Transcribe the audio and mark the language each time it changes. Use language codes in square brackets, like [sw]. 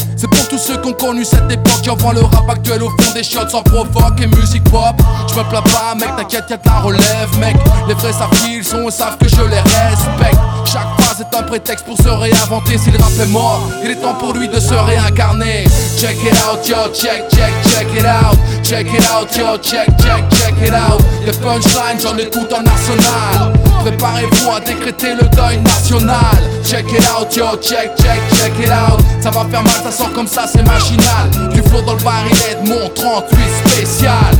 [fr] C'est pour tous ceux qui ont connu cette époque. J'envoie le rap actuel au fond des shots sans provoque et musique pop. J'me plains pas, mec, t'inquiète, y'a de la relève, mec. Les vrais savent qui sont et savent que je les respecte. Chaque phase est un prétexte pour se réinventer. Si le rap est mort, il est temps pour lui de se réincarner. [en] Check it out, yo, check, check, check it out. Check it out, yo, check, check, check it out. [fr] Les punchlines, j'en ai tout un arsenal. Préparez-vous à décréter le deuil national. [en] Check it out, yo, check, check, check it out. [fr] Ça va faire mal, ça sort comme ça, c'est machinal. Du flow dans le baril et de mon 38 spécial.